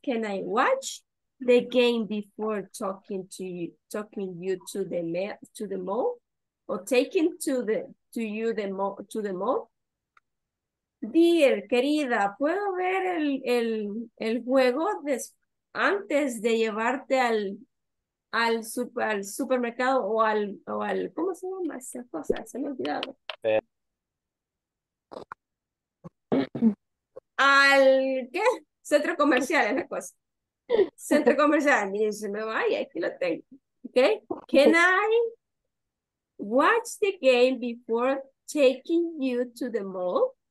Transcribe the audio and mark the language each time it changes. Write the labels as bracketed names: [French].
[English] Can I watch the game before talking to you to the mall? Or taking to you the mall? [Spanish] Dear, querida, ¿puedo ver el juego antes de llevarte al supermercado o al ¿cómo se llama esa cosa? Se me ha olvidado. ¿Al qué? Centro comercial es la cosa. Centro comercial, miren, se me va y aquí lo tengo. ¿Okay? [English] Can I watch the game before taking you to the mall?